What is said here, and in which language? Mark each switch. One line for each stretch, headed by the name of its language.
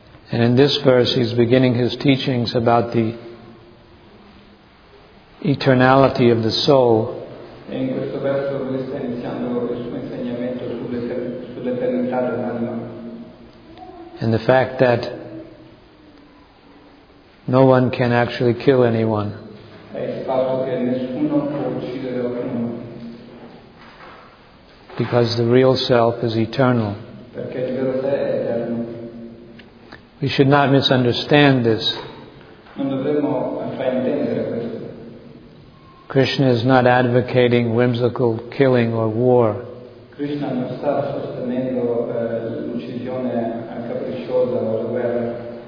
English: And in this verse he's beginning his teachings about the eternality of the soul.
Italian: In questo verso lui sta iniziando il suo insegnamento sull'eternità dell'anima.
English: And the fact that no one can actually kill anyone.
Italian: E il fatto che nessuno può uccidere qualcuno.
English: Because the real self is eternal.
Italian: Perché il vero sé.
English: We should not misunderstand this.
Italian: Non dovremmo far intendere questo.
English: Krishna is not advocating whimsical killing or war.
Italian: Krishna non sta sostenendo l'uccisione capricciosa o la guerra.